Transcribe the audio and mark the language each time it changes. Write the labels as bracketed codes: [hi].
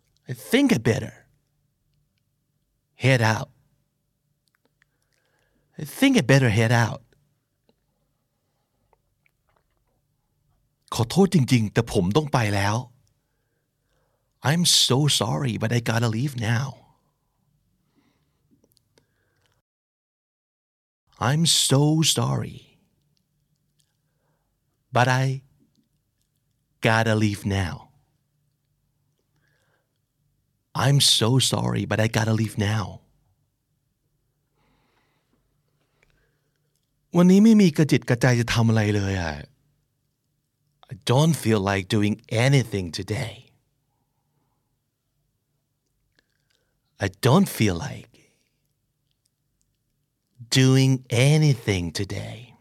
[en] I think I better head out. I think I better head out. [th] ขอโทษจริงๆแต่ผมต้องไปแล้ว [en] I'm so sorry, but I gotta leave now. I'm so sorry, but I gotta leave now. I'm so sorry, but I gotta leave now. [th] วันนี้ไม่มีกระจิตกระใจจะทำอะไรเลยอ่ะ [en] I don't feel like doing anything today. I don't feel like doing anything today.